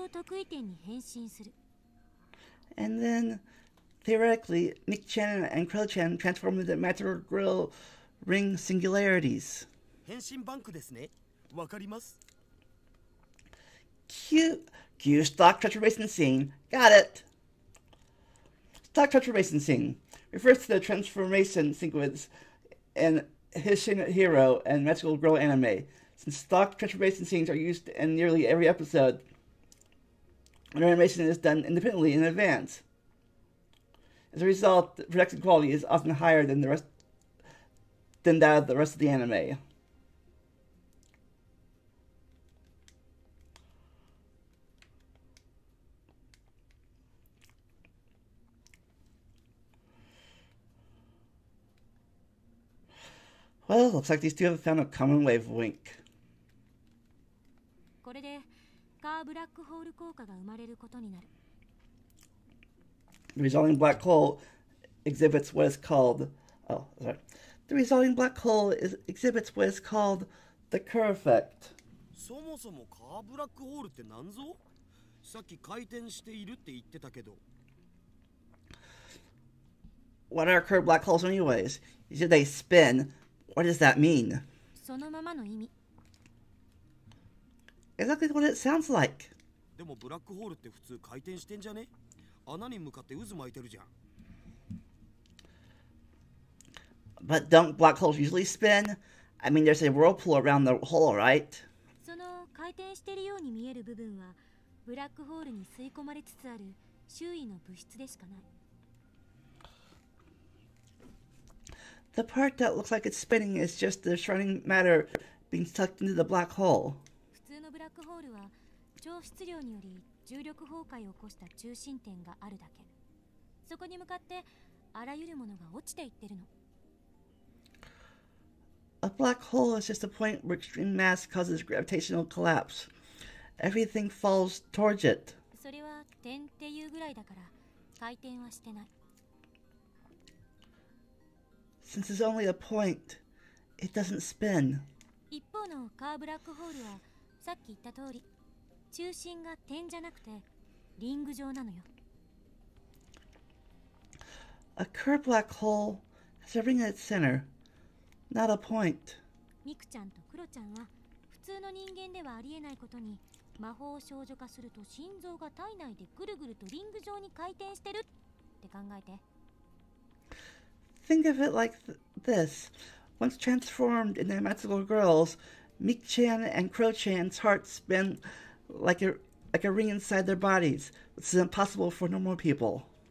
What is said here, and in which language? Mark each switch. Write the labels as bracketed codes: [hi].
[en] And then, theoretically, Meek-chan and Crow-chan transformed into matter grill ring singularities. [ja] 変身バンクですね。わかります? [en] Cute stock transformation scene. Got it. Stock transformation scene refers to the transformation sequence in Hishin Hero and Magical Girl anime. Since stock transformation scenes are used in nearly every episode, an animation is done independently in advance. As a result, the production quality is often higher than that of the rest of the anime. Well, looks like these two have found a common wavelength. [ja] これでカーブラックホール効果が生まれることになる。 [en] The resulting black hole exhibits what is called, The resulting black hole exhibits what is called the Kerr effect. [ja] そもそもカーブラックホールって何ぞ?さっき回転しているって言ってたけど。 [en] What are Kerr black holes anyways? You said they spin. What does that mean? [ja] そのままの意味。 [en] Exactly what it sounds like. [ja] でもブラックホールって普通回転してんじゃね?穴に向かって渦巻いてるじゃん。 [en] But don't black holes usually spin? I mean, there's a whirlpool around the hole, right? [ja] その回転してるように見える部分は、ブラックホールに吸い込まれつつある周囲の物質でしかない。 [en] The part that looks like it's spinning is just the shrouding matter being sucked into the black hole. [ja] 普通のブラックホールは超質量により重力崩壊を起こした中心点があるだけ。そこに向かってあらゆるものが落ちていってるの。 [en] A black hole is just a point where extreme mass causes gravitational collapse. Everything falls towards it. [ja] それは点っていうぐらいだから回転はしてない。 [en] Since it's only a point, it doesn't spin. [ja] 一方のカーブラックホールはさっき言った通り、中心が点じゃなくてリング状なのよ。 [en] A Kerr black hole has a ring at its center, not a point. [ja] ミクちゃんとクロちゃんは普通の人間ではありえないことに魔法少女化すると心臓が体内でぐるぐるとリング状に回転してるって考えて。 [en] Think of it like this. Once transformed into magical girls, Meek-chan and Crow-chan's hearts spin like a ring inside their bodies, which is impossible for normal people.